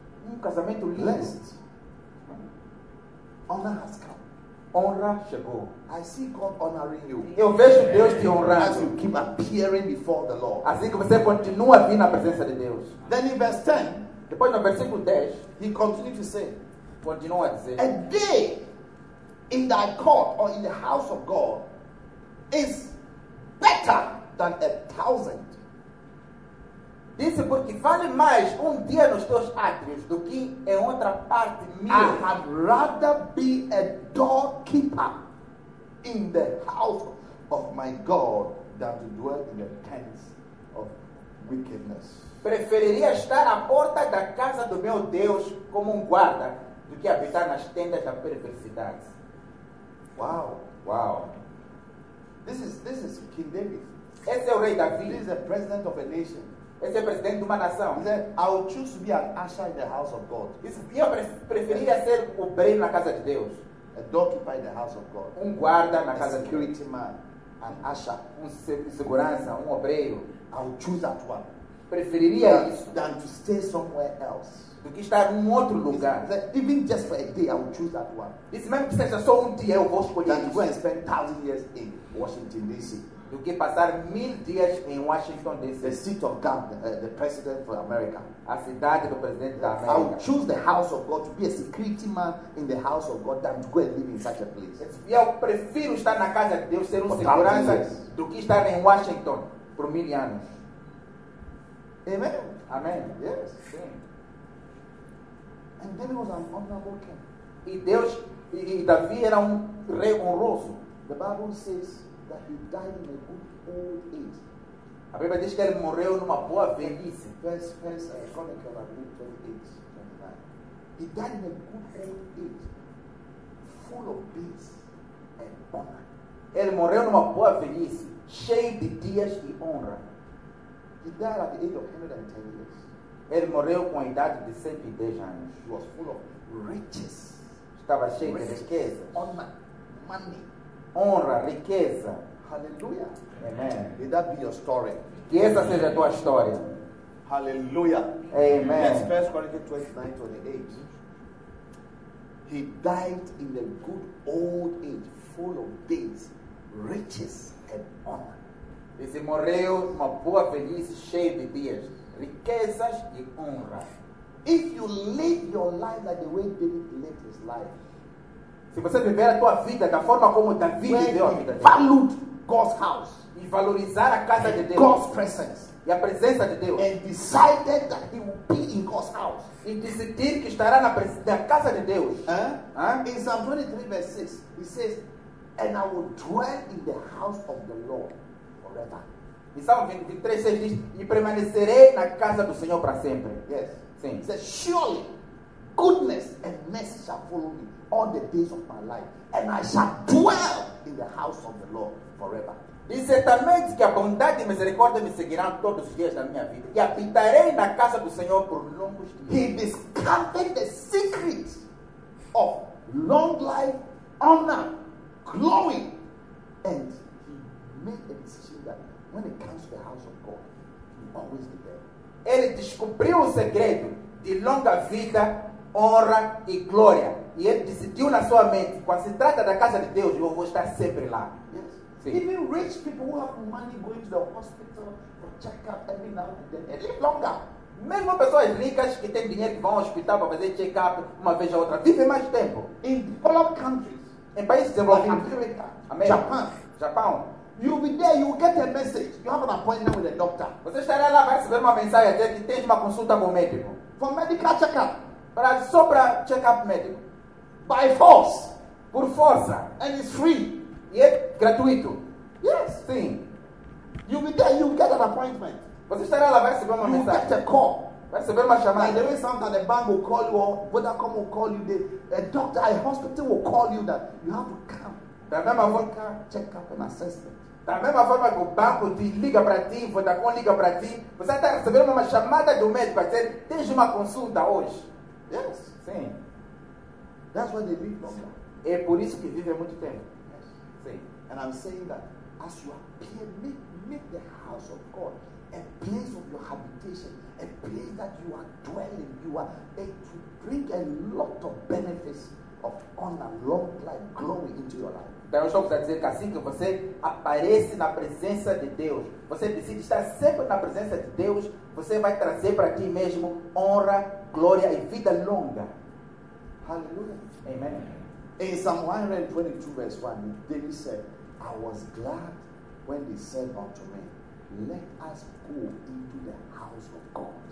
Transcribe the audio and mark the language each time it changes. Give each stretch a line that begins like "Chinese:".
Portuguese: Um casamento lindo.
English: Blessed. Honor has come.
Portuguese: Honra chegou.
English: I see God honoring you.
Portuguese: Eu vejo Deus te honrando.
English: As you keep appearing before the Lord.
Portuguese: Assim que você continua vindo à presença de Deus.
English: Then in verse 10.
Portuguese: Depois no versículo 10.
English: He continued to say.
Portuguese: Continua a dizer.
English: A day in thy court or in the house of God is better than 1,000.
Portuguese: Disse porque vale mais um dia nos teus átrios do que em outra parte minha.
English: I had rather be a doorkeeper in the house of my God than to dwell in the tents of wickedness.
Portuguese: Preferiria estar à porta da casa do meu Deus como guarda do que habitar nas tendas da perversidade.
English: Wow, wow. This is King David.
Portuguese: Esse é o rei Davi.
English: This is the president of a nation.
Portuguese: Esse é o presidente de uma nação.
English: He said, I will choose to be an usher in the house of God.
Portuguese: Eu preferia ser obreiro na casa de Deus.
English: A doorkeeper in the house of God.
Portuguese: Um guarda na casa de Deus.
English: A security man. An usher.
Portuguese: Um segurança, um obreiro.
English: I will choose that one.
Portuguese: Preferiria isso.
English: Than to stay somewhere else.
Portuguese: Do que estar em um outro lugar.
English: Said, even just for a day, I will choose that one.
Portuguese: Isso mesmo que seja só um dia, eu vou escolher isso.
English: Than to go and spend 1,000 years in Washington, D.C.
Portuguese: Do que passar 1,000 dias em Washington, D.C.
English: The seat of God, the president for America.
Portuguese: A cidade do presidente da América.
English: I will choose the house of God to be a security man in the house of God than to go and live in such a place.
Portuguese: Eu prefiro estar na casa de Deus, ser um segurança, do que estar em Washington por 1,000 anos.
English: Amen.
Portuguese: Amen.
English: Yes.
Portuguese: Sim.
English: And David was an honorable king.
Portuguese: E Deus, e Davi era um rei honroso.
English: The Bible says that he died in a good old age.
Portuguese: A Bíblia diz que ele morreu numa boa velhice.
English: First Chronicles 28:29. He died in a good old age, full of peace and honor.
Portuguese: Ele morreu numa boa velhice, cheio de dias e honra.
English: He died at the age of 110 years.
Portuguese: Ele morreu com a idade de 110 anos.
English: He was full of riches.
Portuguese: Estava cheio
English: riches,
Portuguese: de riquezas.
English: Honor, money.
Portuguese: Honra, riqueza.
English: Hallelujah.
Portuguese: Amen.
English: Let that be your story.
Portuguese: Que essa seja a tua história.
English: Hallelujah.
Portuguese: Amen.
English: That's 1 Corinthians 29:28. He died in a good old age, full of days, riches and honor.
Portuguese: Ele morreu uma boa velhice, cheio de dias, riquezas e honra.
English: If you live your life like the way David lived his life,
Portuguese: Se você viver a tua vida da forma como Davi viveu a vida dele.
English: Valued God's house.
Portuguese: E valorizar a casa de Deus.
English: God's presence.
Portuguese: E a presença de Deus.
English: And decided that he would be in God's house.
Portuguese: E decidir que estará na casa de Deus.
English: In Psalm 23, verse 6, he says, "And I will dwell in the house of the Lord forever."
Portuguese: Em Salmo 23, 6 diz, "E permanecerei na casa do Senhor para sempre."
English: Yes.
Portuguese: Sim.
English: He says, "Surely goodness and mercy shall follow me all the days of my life, and I shall dwell in the house of the Lord forever."
Portuguese: Diz certamente que a bondade e misericórdia me seguirão todos os dias da minha vida. E habitarei na casa do Senhor por longos dias.
English: He discovered the secret of long life, honor, glory. And he made a decision that when it comes to the house of God, he will always be there.
Portuguese: Ele descobriu o segredo de longa vida, honra e glória. E ele decidiu na sua mente, quando se trata da casa de Deus, eu vou estar sempre lá.
English: Even rich people who have money going to the hospital for check-up every now and then, they live longer.
Portuguese: Mesmo pessoas ricas que têm dinheiro que vão ao hospital para fazer check-up uma vez ou outra, vivem mais tempo.
English: In developed countries,
Portuguese: em países desenvolvidos,
English: like America, Japão, you'll be there, you'll get a message, you have an appointment with a doctor.
Portuguese: Você estará lá, vai receber uma mensagem, até que tens uma consulta com o médico.
English: For medical check-up.
Portuguese: Para check-up médico.
English: By force.
Portuguese: Por força.
English: And it's free.
Portuguese: E é gratuito.
English: Yes.
Portuguese: Sim.
English: You'll be there, you'll get an appointment.
Portuguese: Você estará lá, vai receber uma mensagem.
English: You'll get a call.
Portuguese: Vai receber uma chamada.
English: Like the way sometimes the bank will call you, or Vodacom will call you, a doctor, a hospital will call you that you have to come.
Portuguese: Da mesma forma
English: que check-up and assessment.
Portuguese: Da mesma forma que o banco te liga para ti, o Vodacom liga para ti, você está recebendo uma chamada do médico para dizer, tens uma consulta hoje.
English: Yes.
Portuguese: Sim.
English: That's why they live longer.
Portuguese: É por isso que vive muito tempo.
English: And I'm saying that as you appear, make the house of God a place of your habitation, a place that you are dwelling, you are able to bring a lot of benefits of honor, love, life, glory into your life.
Portuguese: Então eu estou a dizer que assim que você aparece na presença de Deus, você decide estar sempre na presença de Deus, você vai trazer para ti mesmo honra, glória e vida longa.
English: Hallelujah.
Portuguese: Amen.
English: In Psalm 122, verse 1, David said, "I was glad when they said unto me, let us go into the house of God."